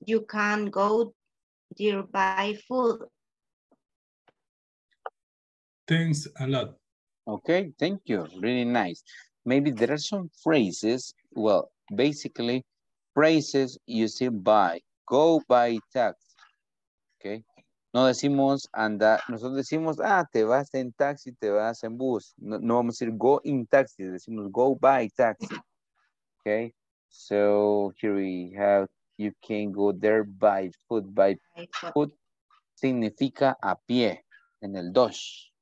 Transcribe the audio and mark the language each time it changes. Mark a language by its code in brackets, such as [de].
[en] You can go there by foot. Thanks a lot. Okay, thank you. Really nice. Maybe there are some phrases. Well, basically, phrases you see by, go by taxi. Okay. [es] No decimos anda, nosotros decimos, ah, te vas en taxi, te vas en bus. No, no vamos a decir [en] go in taxi, [es] decimos [en] go by taxi. [es] Okay. [en] So here we have, you can go there by foot. By foot [es] significa a pie, en el dos.